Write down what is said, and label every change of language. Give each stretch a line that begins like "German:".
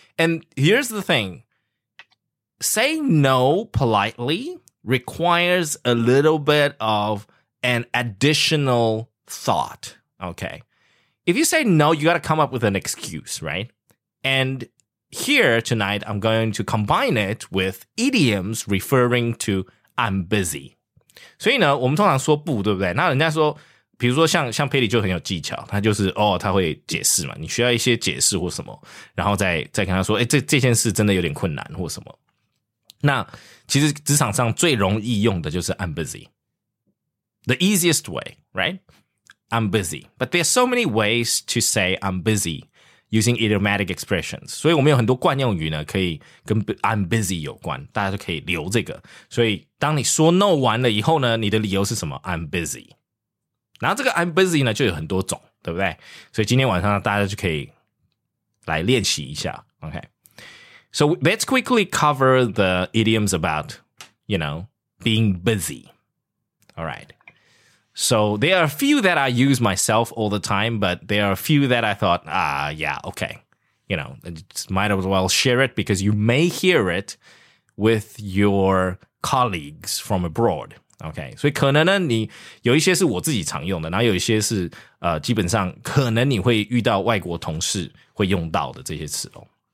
English: And here's the thing. Saying no politely requires a little bit of an additional thought, okay? If you say no, you got to come up with an excuse, right? And... Here tonight, I'm going to combine it with idioms referring to I'm busy.
Chinese: 所以呢，我们通常说不，对不对？那人家说，比如说像佩里就很有技巧，他就是哦，他会解释嘛，你需要一些解释或什么，然后再跟他说，哎，这件事真的有点困难或什么。那其实职场上最容易用的就是
English: I'm busy. The easiest way, right? I'm busy. But there are so many ways to say I'm busy. Using idiomatic expressions.
Chinese: 所以我们有很多惯用语呢可以跟
English: I'm busy
Chinese: 有关大家都可以留这个。所以当你说 no 完了以后呢你的理由是什么
English: I'm busy.
Chinese: 然后这个
English: I'm busy
Chinese: 呢就有很多种对不对所以今天晚上大家就可以来练习一下。
English: Okay. So let's quickly cover the idioms about, you know, being busy. Alright. So there are a few that I use myself all the time, but there are a few that I thought, yeah, okay. You know, might as well share it because you may hear it with your colleagues from abroad.
Chinese: Okay, 所以可能呢你有一些是我自己常用的，然后有一些是基本上可能你会遇到外国同事会用到的这些词哦。